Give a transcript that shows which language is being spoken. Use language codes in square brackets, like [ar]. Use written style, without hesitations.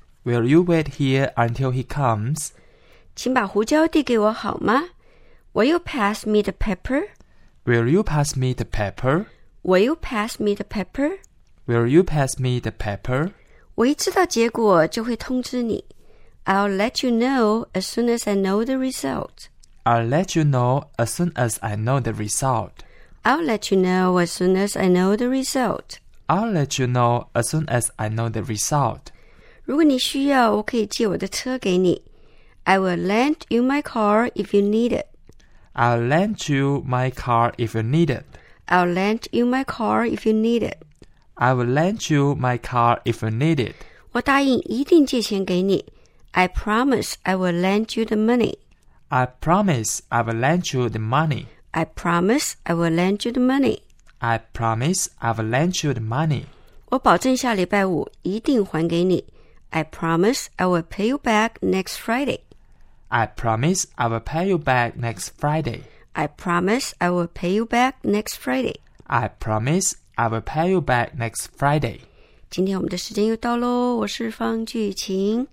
[en] Will you wait here until he comes? [zh] 请把胡椒递给我好吗？ [en] Will you pass me the pepper? Will you pass me the pepper? Will you pass me the pepper? Will you pass me the pepper? [zh] 我一知道结果就会通知你。 [en] I'll let you know as soon as I know the result. I'll let you know as soon as I know the result. I'll let you know as soon as I know the result. I'll let you know as soon as I know the result. [zh] 如果你需要，我可以借我的车给你。 [en] I will lend you my car if you need it. I'll lend you my car if you need it. I'll lend you my car if you need it. I will lend you my car if you need it. [zh] 我答应一定借钱给你。 [en] I promise I will lend you the money. I promise I will lend you the money. I promise I will lend you the money. I promise I will lend you the money. [zh] 我保证下礼拜五一定还给你。 [en] I promise I will pay you back next Friday. I promise I will pay you back next Friday. I promise I will pay you back next Friday. I promise. I will pay you back next Friday. [zh] 今天我们的时间又到咯，我是方巨琴，